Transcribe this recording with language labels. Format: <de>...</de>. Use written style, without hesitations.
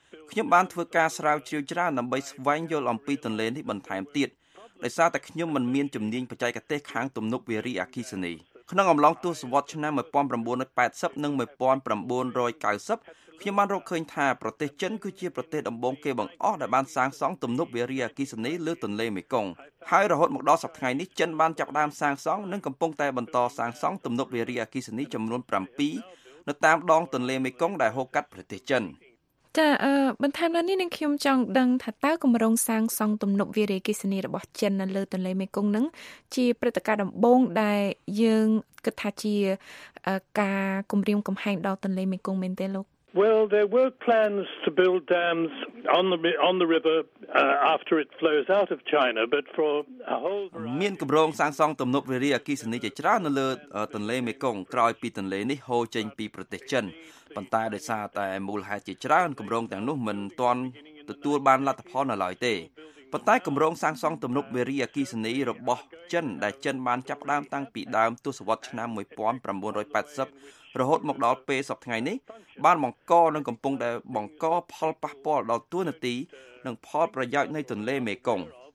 <km>ខ្ញុំបានធ្វើការស្រាវជ្រាវច្រើនដើម្បីស្វែងយល់អំពីទន្លេនេះបន្ថែមទៀតដោយសារតែខ្ញុំមិនមានជំនាញបច្ចេកទេសខាងទំនប់វារីអគ្គិសនីក្នុងអំឡុងទសវត្សរ៍ឆ្នាំ1980និង1990ខ្ញុំបានរកឃើញថាប្រទេសចិនគឺជាប្រទេសដំបូងគេបង្អស់ដែលបានសាងសង់ទំនប់វារីអគ្គិសនីលើទន្លេមេគង្គហើយរហូតមកដល់សប្តាហ៍នេះចិនបានចាប់ផ្ដើមសាងសង់និងកំពុងតែបន្តសាងសង់ទំនប់វារីអគ្គិសនីចំនួន7នៅតាមដងទន្លេមេគង្គដែលហូរកាត់ប្រទេសចិន ចាបន្ថែមលើនេះនឹងខ្ញុំចង់ដឹងថាតើគម្រោងសាងសង់ទំនប់វារីអគ្គិសនីរបស់ចិននៅលើទន្លេមេគង្គនឹងជាព្រឹត្តិការណ៍ដំបូងដែលយើងគិតថាជាការគម្រាមកំហែងដល់ទន្លេមេគង្គមែនទេលោក</km> <en>Well there were plans to build dams on the river after it flows out of China but for a whole variety...</en> <km>មានគម្រោងសាងសង់ទំនប់វារីអគ្គិសនីជាច្រើននៅលើទន្លេមេគង្គក្រោយពីទន្លេនេះហូរចេញពីប្រទេសចិនប៉ុន្តែដោយសារតែមូលហេតុជាច្រើនគម្រោងទាំងនោះមិនទាន់ទទួលបានលទ្ធផលនៅឡើយទេប៉ុន្តែគម្រោងសាងសង់ទំនប់វារីអគ្គិសនីរបស់ចិនដែលចិនបានចាប់ផ្ដើមតាំងពីដើមទសវត្សរ៍ឆ្នាំ1980រហូតមកដល់ពេលសប្តាហ៍ថ្ងៃនេះបានបង្កនឹងកំពុងដែលបង្កផលប៉ះពាល់ដល់ទួលនទីនិងផលប្រយោជន៍នៃទន្លេមេគង្គ</km>